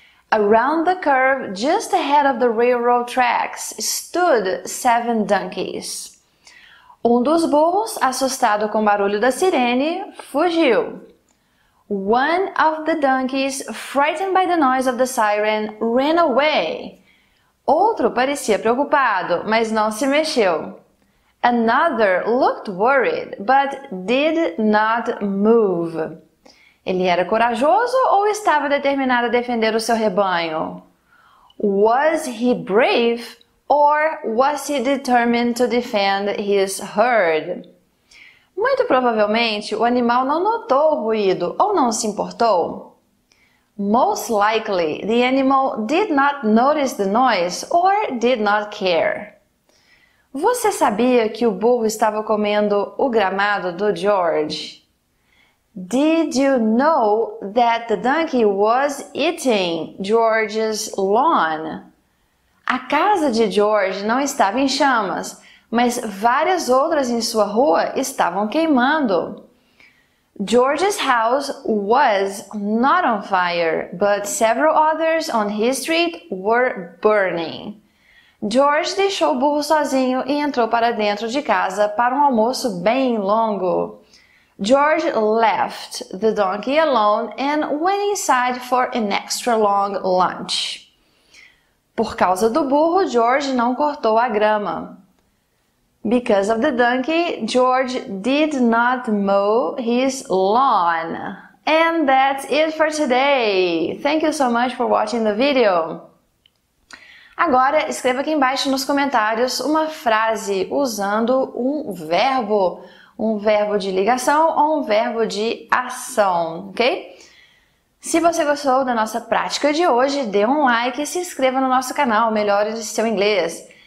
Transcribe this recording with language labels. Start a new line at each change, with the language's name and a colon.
English: Around the curve, just ahead of the railroad tracks, stood seven donkeys.
Portuguese: Um dos burros, assustado com o barulho da sirene, fugiu.
English: One of the donkeys, frightened by the noise of the siren, ran away.
Portuguese: Outro parecia preocupado, mas não se mexeu.
English: Another looked worried, but did not move.
Portuguese: Ele era corajoso ou estava determinado a defender o seu rebanho?
English: Was he brave or was he determined to defend his herd?
Portuguese: Muito provavelmente o animal não notou o ruído ou não se importou.
English: Most likely, the animal did not notice the noise or did not care.
Portuguese: Você sabia que o burro estava comendo o gramado do George?
English: Did you know that the donkey was eating George's lawn?
Portuguese: A casa de George não estava em chamas. Mas várias outras em sua rua estavam queimando.
English: George's house was not on fire, but several others on his street were burning.
Portuguese: George deixou o burro sozinho e entrou para dentro de casa para um almoço bem longo.
English: George left the donkey alone and went inside for an extra long lunch.
Portuguese: Por causa do burro, George não cortou a grama.
English: Because of the donkey, George did not mow his lawn. And that's it for today. Thank you so much for watching the video.
Portuguese: Agora, escreva aqui embaixo nos comentários uma frase usando um verbo de ligação ou um verbo de ação, ok? Se você gostou da nossa prática de hoje, dê um like e se inscreva no nosso canal, Melhore Seu Inglês.